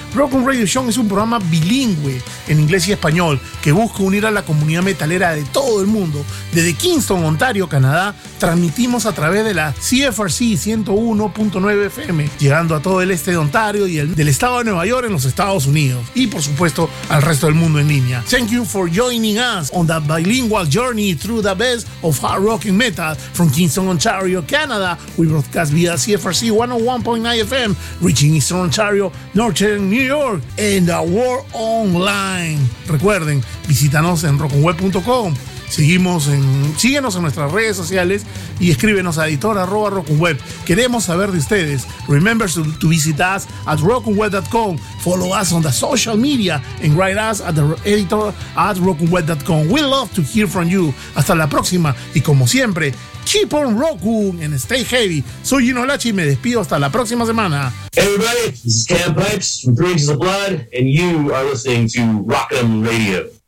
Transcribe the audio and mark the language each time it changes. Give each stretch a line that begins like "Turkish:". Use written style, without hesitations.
Spanish: Rock and Radio Show es un programa bilingüe en inglés y español que busca unir a la comunidad metalera de todo el mundo. Desde Kingston, Ontario, Canadá, transmitimos a través de la CFRC 101.9 FM, llegando a todo el este de Ontario y del estado de Nueva York en los Estados Unidos. Y, por supuesto, al resto del mundo en línea.
English: Thank you for joining us on the bilingual journey through the best of hard rock and metal from Kingston, Ontario, Canada. We broadcast via CFRC 101.9 FM, reaching Eastern Ontario, Northern New York, and the world online.
Spanish: Recuerden, visítanos en rockandweb.com. Síguenos en nuestras redes sociales y escríbenos a editor@rockandweb. Queremos saber de ustedes.
English: Remember to visit us at rockandweb.com. Follow us on the social media and write us at editor@rockandweb.com. We love to hear from you.
Spanish: Hasta la próxima y, como siempre,
English: keep on rocking and stay heavy.
Spanish: Soy Gino Lachi y me despido hasta la próxima semana.
English: Hey everybody, this is Cam Pipes from Bridges of Blood and you are listening to Rock'em Radio.